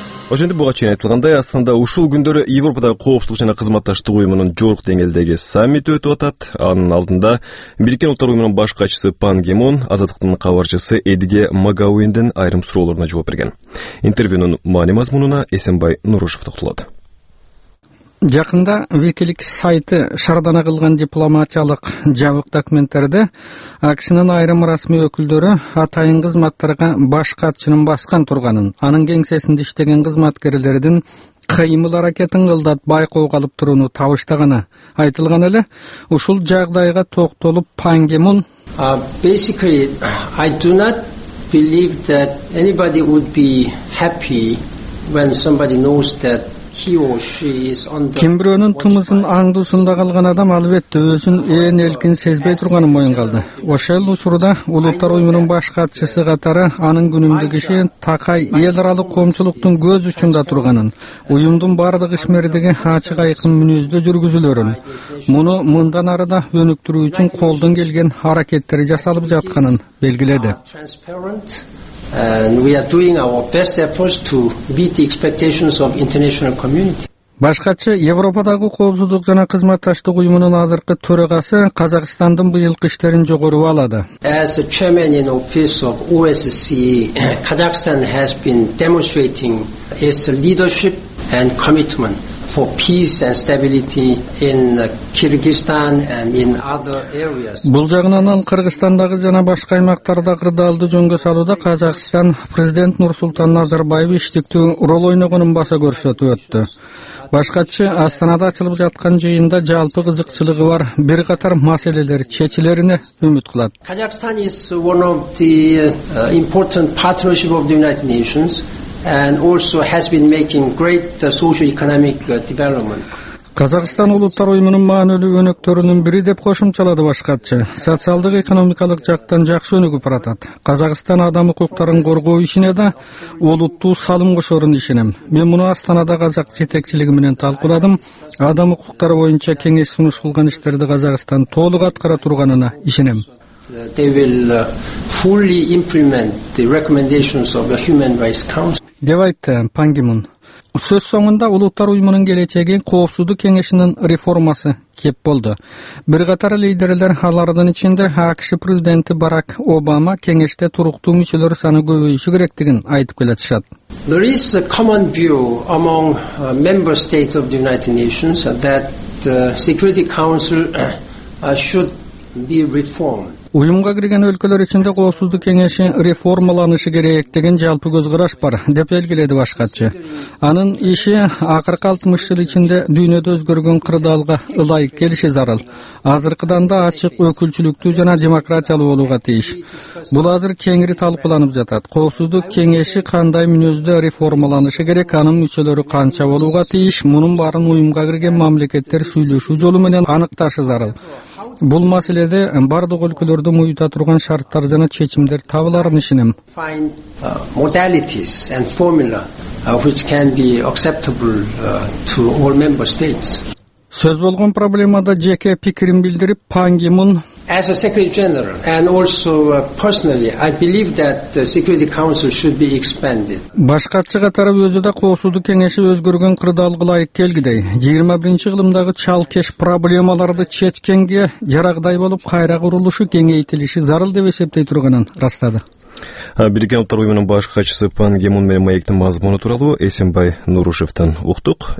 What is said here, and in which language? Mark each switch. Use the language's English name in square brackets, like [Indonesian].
[Kyrgyz] Ошентип буга чейин айтылгандай, Астанада ушул күндөрү Европадагы коопсуздук жана кызматташтык уюмунун жогорку деңгээлдеги саммити өтүп атат. Анын алдында Бириккен Улуттар Уюмунун баш катчысы Пан Ги Мун Азаттыктын кабарчысы Эдиге Магауиндин айрым суроолоруна жооп берген. Интервьюнун маани мазмунуна Эсенбай Нурушев токтолот. Жакында WikiLeaks сайты шаардана кылган дипломатиялык жабык документтерде АКШнын айрым расмий өкүлдөрү атайын кызматтарга баш катчынын баскан турганын, анын кеңсесинде иштеген кызматкерлердин кыймыл аракетин кылдат байкоо калып турууну табыштаганы айтылган эле. Ушул жагдайга токтолуп Пан Ги Мун: [English] Basically, I do not believe that anybody would be happy when somebody knows that [Kyrgyz] ким бирөөнүн тымызын аңдуусунда калган адам албетте өзүн ээн элкин сезбей турганын моюн калды. Ошол учурда Улуттар Уюмунун баш катчысы катары анын күнүмдүк иши такай эл аралык коомчулуктун көз учунда турганын, уюмдун бардык ишмердиги ачык айкын мүнөздө жүргүзүлөрүн, муну мындан ары да өнүктүрүү үчүн колдон келген аракеттери жасалып жатканын белгиледи. [English] And we are doing our best efforts to meet the expectations of international community. [Kyrgyz] Баш катчы Европадагы коопсуздук жана кызматташтык уюмунун азыркы төрагасы Казакстандын быйылкы иштерин жогору баалады. [English] As a chairman in office of OSCE, Kazakhstan has been demonstrating its leadership and commitment for peace and stability in Kyrgyzstan and in other areas. [Kyrgyz] Бул жагынан ал Кыргызстандагы жана башка аймактарда кырдаалды жөнгө салууда Казакстан президент Нурсултан Назарбаев иштиктүү рол ойногонун баса көрсөтүп өттү. Баш катчы Астанада ачылып жаткан жыйында жалпы кызыкчылыгы бар бир катар маселелер чечилерине үмүт кылат. [English] Kazakhstan is one of the important partnership of the United Nations. and also has been making great socio-economic development. [Kyrgyz] Казакстан улуттар уюмунун маанилүү өнөктөрүнүн бири деп кошумчалады баш катчы. Социалдык экономикалык жактан жакшы өнүгүп баратат. Казакстан адам укуктарын коргоо ишине да улуттуу салым кошорун ишенем. Мен муну Астанада казак жетекчилиги менен талкууладым. Адам укуктары боюнча кеңеш сунуш кылган иштерди Казакстан толук аткара турганына ишенем. [English] They will fully implement the recommendations of the Human Rights Council. [Kyrgyz] Деп айтты Пан Ги Мун. Сөз соңунда улуттар уюмунун келечеги коопсуздук кеңешинин реформасы кеп болду. Бир катар лидерлер алардын ичинде АКШ президенти Барак Обама кеңеште туруктуу мүчөлөр саны көбөйүшү керектигин айтып келатышат. [English] There is a common view among member states of the United Nations that the Security Council should be reformed. [Kyrgyz] Уюмга кирген өлкөлөр ичинде коопсуздук кеңеши реформаланышы керек деген жалпы көз караш бар деп белгиледи баш катчы. Анын иши акыркы 60 жыл ичинде дүйнөдө өзгөргөн кырдаалга ылайык келиши зарыл. Азыркыдан да ачык өкүлчүлүктүү жана демократиялуу болууга тийиш. Бул азыр кеңири талкууланып жатат. Коопсуздук кеңеши кандай мүнөздө реформаланышы керек, анын мүчөлөрү канча болууга тийиш, мунун баарын уюмга кирген мамлекеттер сүйлөшүү жолу менен аныкташы зарыл. Бул маселеде бардык өлкөлөрдү муюта турган шарттар жана чечимдер табыларын ишенем. [English] Modalities and formula which can be acceptable to all member states. [Kyrgyz] Сөз болгон проблемада жеке пикирин билдирип Пан Ги Мун [English] as a secretary general and also personally I believe that the security council should be expanded. [Kyrgyz] Баш катчы катары өзү да коопсуздук кеңеши өзгөргөн кырдаалга ылайык келгидей 21-чи кылымдагы чалкеш проблемаларды чечкенге жарагдай болуп кайра курулушу кеңейтилиши зарыл деп эсептей турганын ырастады. Бириккен Улуттар Уюмунун баш катчысы Пан Ги Мун менен маектин мазмуну тууралуу Эсенбай Нурушевден уктук.